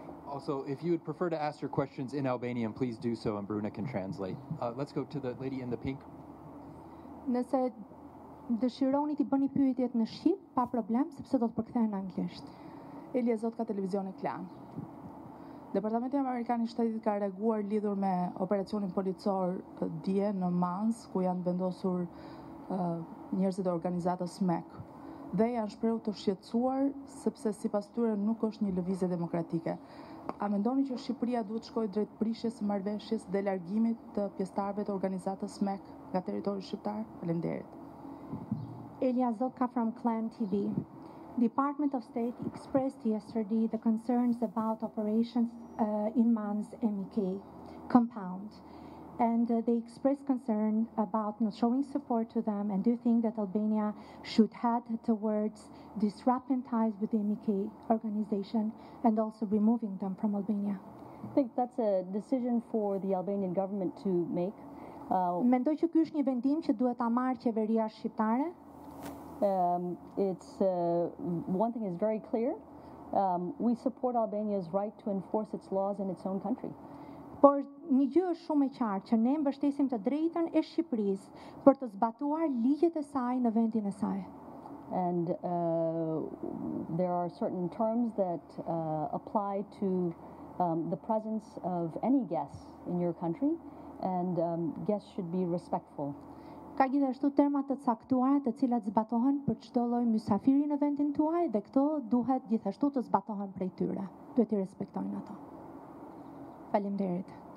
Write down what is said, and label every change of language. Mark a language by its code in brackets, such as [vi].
[en] Also, if you would prefer to ask your questions in Albanian, please do so and Bruna can translate. Let's go to the lady in the pink. [sq] Nëse dëshironi të bëni pyetjet në shqip, pa problem, sepse do të përkthehen në anglisht. Elia Zot ka televizionin Klan. Departamenti Amerikan I Shtetit ka reaguar lidhur me operacionin policor dje në Mans, ku janë vendosur njerëzit e organizatës MEK. Dhe janë shprehur të shqetësuar sepse sipas tyre nuk është një lëvizje demokratike. A mendoni që Shqipëria duhet shkojë drejt prishjes së marrëveshjes dhe largimit të pjesëtarëve të organizatës MEK nga territori shqiptar? Faleminderit. [en] Elia Zoka from Clan TV. Department of State expressed yesterday the concerns about operations in Mans MEK compound. And they expressed concern about not showing support to them. And do you think that Albania should head towards disrupting ties with the MEK organization and also removing them from Albania? I think that's a decision for the Albanian government to make. [sq] Mendoj që ky është një vendim që duhet ta marrë qeveria shqiptare. [en] One thing is very clear. We support Albania's right to enforce its laws in its own country. [sq] Por një gjë është shumë e qartë që ne mbështesim të drejtën e Shqipërisë për të zbatuar ligjet e saj në vendin e saj. [en] And there are certain terms that apply to the presence of any guests in your country, and guests should be respectful. [sq] Ka gjithashtu terma të caktuara të cilat zbatohen për çdo lloj mysafiri në vendin tuaj dhe këto duhet gjithashtu të zbatohen prej tyre. Duhet I respektojnë ato. Faleminderit.